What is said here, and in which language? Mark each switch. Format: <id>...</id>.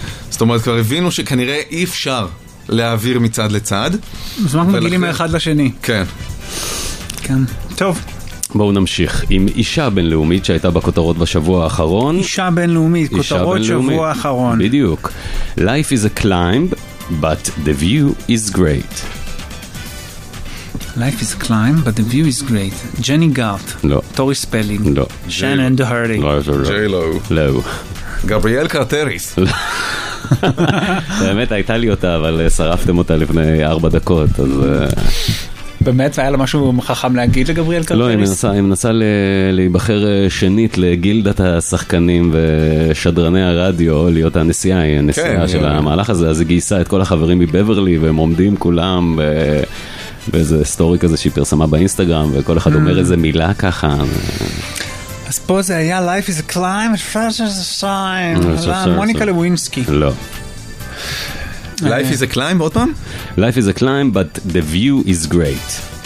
<he>זאת אומרת, כבר הבינו שכנראה אי אפשר להעביר מצד לצד. אז אנחנו מגילים אחד לשני. כן. כן. טוב. בואו נמשיך עם אישה בינלאומית שהייתה בכותרות בשבוע האחרון. אישה בינלאומית, כותרות שבוע האחרון. בדיוק.</he> <en>Life is a climb, but the view is great. Life is a climb, but the view is great. Jenny Galt.</en> <he>לא. Tori Spelling. לא. Shannon Doherty. לא, זה לא. J-Lo. לא. גבריאל קרטריס. באמת הייתה לי אותה, אבל שרפתם אותה לפני 4 דקות, אז... באמת, והיה לה משהו חכם להגיד לגבריאל קרטריס? לא, היא מנסה להיבחר שנית לגילדת השחקנים ושדרני הרדיו, להיות הנשיאה, היא הנשיאה כן, של המהלך הזה, אז היא גייסה את כל החברים מבברלי, והם עומדים כולם באיזה סטורי כזה שהיא פרסמה באינסטגרם, וכל אחד אומר איזה מילה ככה. אז פה זה היה</he> <en>Life is a Climb, Fresh is a Sign, מוניקה לווינסקי.</en> <he>לא.</he> <en>Life is a climb,</en> <he>עוד פעם?</he> <en>Life is a climb, but the view is great.</en>